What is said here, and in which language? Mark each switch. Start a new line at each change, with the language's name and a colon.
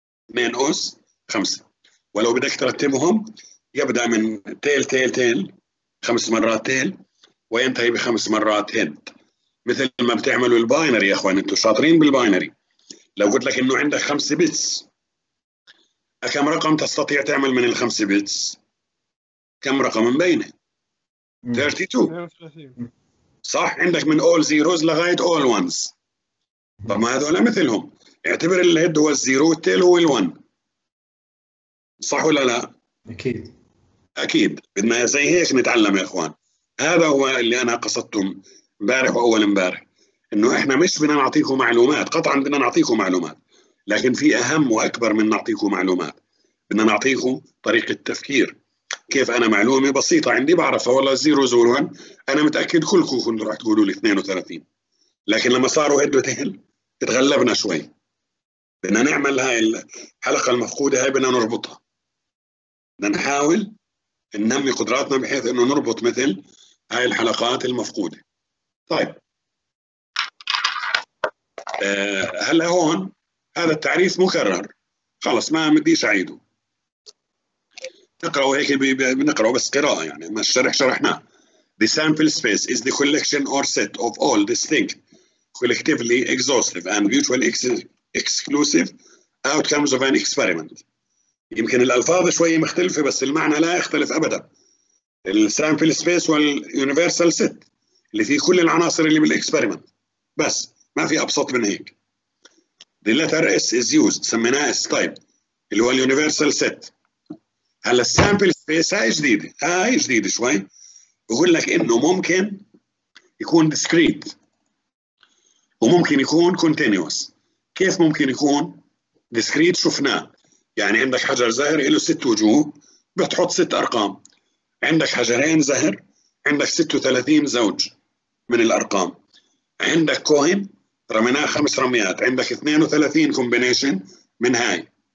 Arabic: اثنين اس خمسة. ولو بدك ترتبهم يبدأ من تيل تيل تيل خمس مرات تيل وينتهي بخمس مرات هيد، مثل ما بتعملوا الباينري يا اخوان. انتوا شاطرين بالباينري. لو قلت لك انه عندك خمس بيتس، كم رقم تستطيع تعمل من الخمس بيتس؟ كم رقم من بينه؟ 32 صح. عندك من
English: all zeros
Arabic: لغاية
English: all ones.
Arabic: طب ما هذول مثلهم، اعتبر الهيد هو الزيرو والتيل هو الون صح ولا لا؟ اكيد اكيد. بدنا زي هيك نتعلم يا اخوان. هذا هو اللي انا قصدتهم امبارح واول امبارح، انه احنا مش بدنا نعطيكم معلومات، قطعا بدنا نعطيكم معلومات، لكن في اهم واكبر من نعطيكم معلومات، بدنا نعطيكم طريقه تفكير. كيف انا معلومه بسيطه عندي بعرفها والله زيرو زورون، انا متاكد كلكم كنتوا راح تقولوا لي 32، لكن لما صاروا هدو تهل تغلبنا شوي. بدنا نعمل هاي الحلقه المفقوده هاي، بدنا نربطها، بدنا نحاول ننمي قدراتنا بحيث انه نربط مثل هاي الحلقات المفقوده. طيب هلا هون هذا التعريف مكرر خلص، ما بديش اعيده، نقرأ هيك بنقرأ بس قراءه يعني، ما الشرح شرحناه.
English: The sample space is the collection or set of all distinct collectively exhaustive and mutually exclusive outcomes of an experiment.
Arabic: يمكن الألفاظ شوية مختلفة بس المعنى لا يختلف أبدا. السامبل سبيس واليونيفرسال ست اللي فيه كل العناصر اللي بالإكسبرمنت، بس ما في أبسط من هيك.
English: The letter S is used،
Arabic: سميناه
English: S type
Arabic: اللي هو اليونيفرسال ست. هلا السامبل سبيس هاي جديدة، هاي جديدة شوي، بقول لك إنه ممكن يكون ديسكريت وممكن يكون كونتينيوس. كيف ممكن يكون ديسكريت؟ شفناه يعني عندك حجر زهر له ست وجوه بتحط ست أرقام، عندك حجرين زهر عندك 36 زوج من الأرقام، عندك كوين رميناه خمس رميات عندك 32 كومبينيشن من هاي.